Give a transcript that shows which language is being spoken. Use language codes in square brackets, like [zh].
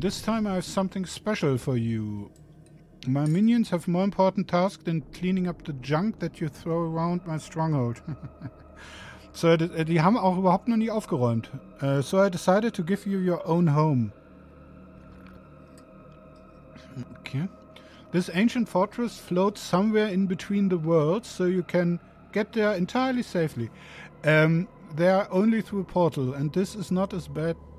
[en] This time I have something special for you. My minions have more important tasks than cleaning up the junk that you throw around my stronghold. [de] So, die haben auch überhaupt noch nie aufgeräumt. [en] So I decided to give you your own home. Okay. This ancient fortress floats somewhere in between the worlds, so you can get there entirely safely. There only through a portal, and this is not as bad.